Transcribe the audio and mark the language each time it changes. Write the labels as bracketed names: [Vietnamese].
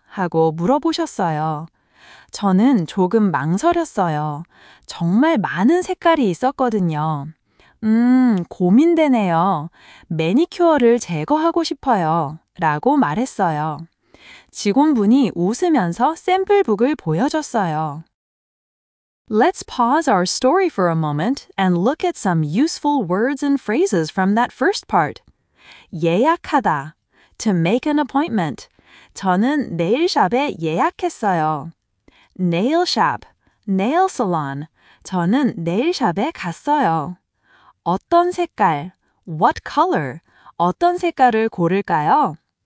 [Korean] 하고 물어보셨어요. 저는 조금 망설였어요. 정말 많은 색깔이 있었거든요. 고민되네요. 매니큐어를 제거하고 싶어요. 라고 말했어요. 직원분이 웃으면서 샘플북을 보여줬어요. [English] Let's pause our story for a moment and look at some useful words and phrases from that first part. 예약하다, to make an appointment. [Korean] 저는 네일샵에 예약했어요. [English] Nail shop, nail salon. [Korean] 저는 네일샵에 갔어요. 어떤 색깔, [English] what color? [Korean] 어떤 색깔을 고를까요?